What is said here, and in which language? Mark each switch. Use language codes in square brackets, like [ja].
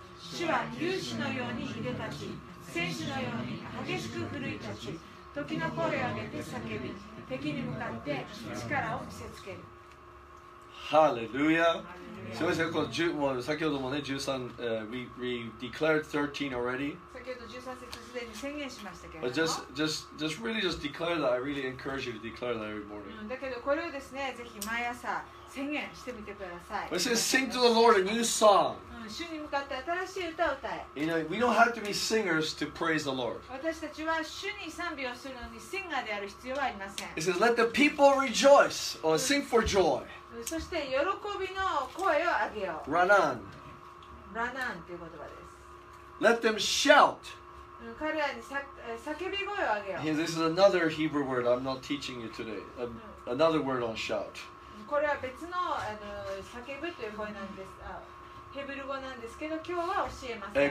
[ja] 主は勇士のように出立ち、戦士のように激しく奮い立ち、時の声を上げて叫び、敵に向かって力を見せつける。ハレルヤ。すみません、この10、もう先ほどもね、13、 [en] we declared 13 already. [ja] 先ほど13節すでに宣言しましたけれども。 [en] But just really just declare that. I really encourage you to declare that every morning.、 [ja] うん、だけどこれをですね、ぜひ毎朝宣言してみてください。 [en] It says, sing to the Lord a new song.、 [ja] うん、主に向かって新しい歌を歌え。 [en] You know, we don't have to be singers to praise the Lord. [ja] 私たちは主に賛美をするのにシンガーである必要はありません。 [en] It says, let the people rejoice or sing for joy. [ja] そして喜びの声を上げよう。 [en] Run on. [ja] Run on という言葉です。 [en] Let them shout. [ja] 彼らに叫び声を上げよう。 [en] Hey, this is another Hebrew word. I'm not teaching you today. Another word on shout. [ja] これは別の、叫ぶという声なんです。ヘブル語なんですけど、今日は教えません。